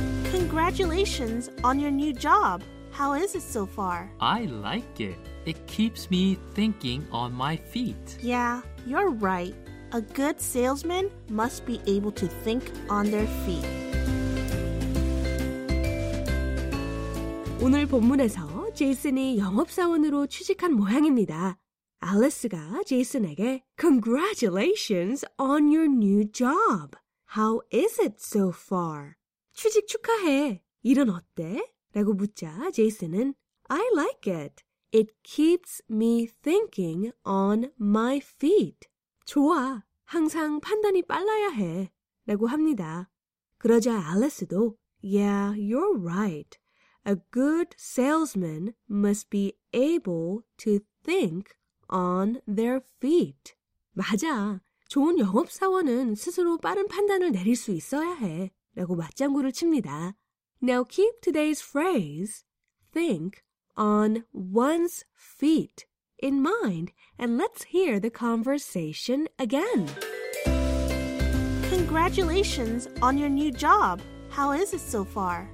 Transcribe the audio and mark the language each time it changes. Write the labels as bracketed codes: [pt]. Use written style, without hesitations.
[en] Congratulations on your new job. How is it so far? I like it. It keeps me thinking on my feet. Yeah, you're right. A good salesman must be able to think on their feet. [ko] 오늘 본문에서 제이슨이 영업사원으로 취직한 모양입니다. 알리스가 제이슨에게 [en] Congratulations on your new job. How is it so far? [ko] 취직 축하해. 일은 어때? 라고 묻자 제이슨은 [en] I like it. It keeps me thinking on my feet. [ko] 좋아. 항상 판단이 빨라야 해. 라고 합니다. 그러자 알리스도 [en] Yeah, you're right. A good salesman must be able to think on their feet. [ko] 맞아. 좋은 영업사원은 스스로 빠른 판단을 내릴 수 있어야 해. 라고 맞장구를 칩니다. [en] Now keep today's phrase, think on one's feet, in mind, and let's hear the conversation again. Congratulations on your new job. How is it so far?